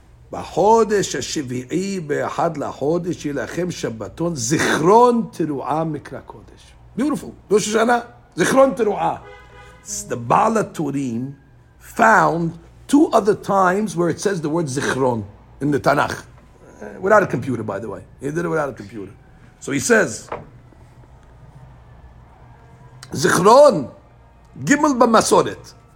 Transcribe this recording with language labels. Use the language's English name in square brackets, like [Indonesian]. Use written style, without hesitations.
[Hebrew] בחודש השביעי באחד לחודש ילחם שבתון זיכרון תרועה מקרא קודש. [English] Beautiful. [Hebrew] ראש השנה, זיכרון תרועה. [English] The Baal HaTurim found two other times where it says the word זיכרון in the Tanakh. Without a computer, by the way. He did it without a computer. So he says, [Hebrew] זיכרון, גימל במסורת.